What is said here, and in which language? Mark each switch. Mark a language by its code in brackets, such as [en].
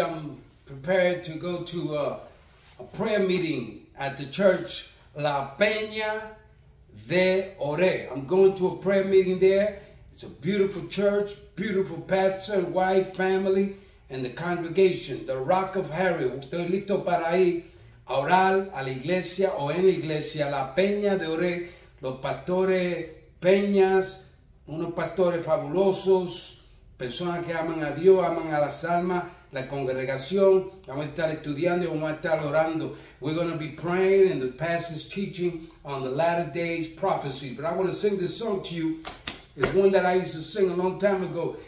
[en] I'm prepared to go to a prayer meeting at the church La Peña de Ore. I'm going to a prayer meeting there. It's a beautiful church, beautiful pastor and wife, family, and the congregation, the Rock of Harry. [es] Estoy listo para ir a orar a la iglesia o en la iglesia La Peña de Ore, los pastores Peñas, unos pastores fabulosos, personas que aman a Dios, aman a las almas, la congregación. Vamos a estar estudiando y vamos a estar orando. [en] We're going to be praying and the pastor's teaching on the latter days prophecy. But I want to sing this song to you. It's one that I used to sing a long time ago.